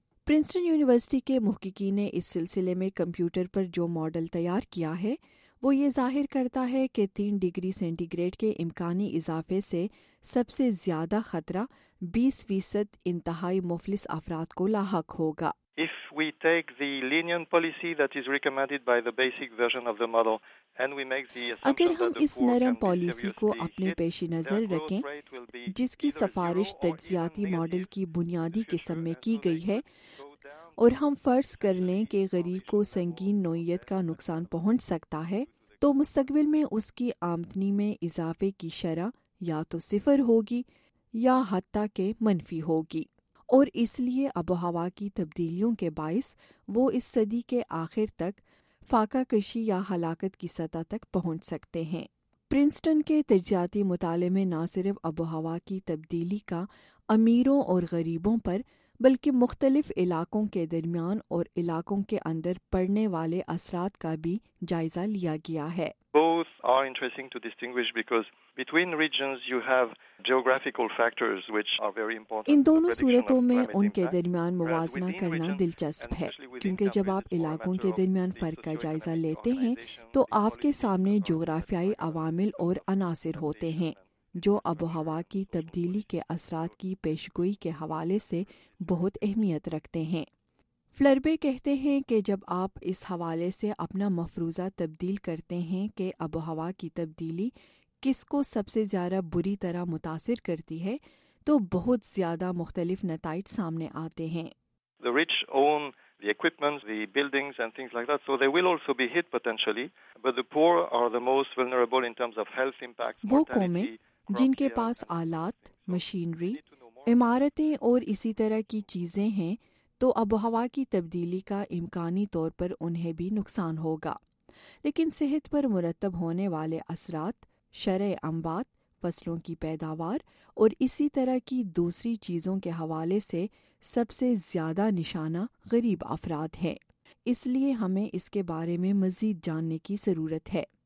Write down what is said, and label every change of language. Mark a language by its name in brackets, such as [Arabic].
[Urdu] Princeton university کے محققین نے اس سلسلے میں کمپیوٹر پر جو ماڈل تیار کیا ہے وہ یہ ظاہر کرتا ہے کہ 3 ڈگری سینٹی گریڈ کے امکانی اضافے سے سب سے زیادہ خطرہ 20% انتہائی مفلس افراد کو لاحق ہوگا. [English] If we take the lenient policy that is recommended by the basic version of the model and we make the assumption that [Urdu] اگر ہم اس نرم پالیسی کو اپنے پیش نظر رکھیں جس کی سفارش تجزیاتی ماڈل کی بنیادی قسم میں کی گئی ہے، اور ہم فرض کر لیں کہ غریب کو سنگین نوعیت کا نقصان پہنچ سکتا ہے، تو مستقبل میں اس کی آمدنی میں اضافے کی شرح یا تو صفر ہوگی یا حتیٰ کہ منفی ہوگی. اور اس لیے آب و ہوا کی تبدیلیوں کے باعث وہ اس صدی کے آخر تک فاقہ کشی یا ہلاکت کی سطح تک پہنچ سکتے ہیں. پرنسٹن کے تجزیاتی مطالعے میں نہ صرف آب و ہوا کی تبدیلی کا امیروں اور غریبوں پر بلکہ مختلف علاقوں کے درمیان اور علاقوں کے اندر پڑنے والے اثرات کا بھی جائزہ لیا گیا ہے. [English] Both are interesting to distinguish because between regions you have geographical factors which are very important. [Urdu] ان دونوں صورتوں میں ان کے درمیان موازنہ کرنا دلچسپ ہے، کیونکہ جب آپ علاقوں کے درمیان فرق کا جائزہ لیتے ہیں تو آپ کے سامنے جغرافیائی عوامل اور عناصر ہوتے ہیں جو آب و ہوا کی تبدیلی کے اثرات کی پیشگوئی کے حوالے سے بہت اہمیت رکھتے ہیں. فلربے کہتے ہیں کہ جب آپ اس حوالے سے اپنا مفروضہ تبدیل کرتے ہیں کہ آب و ہوا کی تبدیلی کس کو سب سے زیادہ بری طرح متاثر کرتی ہے تو بہت زیادہ مختلف نتائج سامنے آتے ہیں. [English] The rich own the equipment, the buildings and things like that, so they will also be hit potentially, but the poor are the most vulnerable in terms of health impacts, mortality. [Urdu] جن کے پاس آلات، machinery, عمارتیں اور اسی طرح کی چیزیں ہیں تو آب و ہوا کی تبدیلی کا امکانی طور پر انہیں بھی نقصان ہوگا، لیکن صحت پر مرتب ہونے والے اثرات، شرع اموات، فصلوں کی پیداوار اور اسی طرح کی دوسری چیزوں کے حوالے سے سب سے زیادہ نشانہ غریب افراد ہیں، اس لیے ہمیں اس کے بارے میں مزید جاننے کی ضرورت ہے.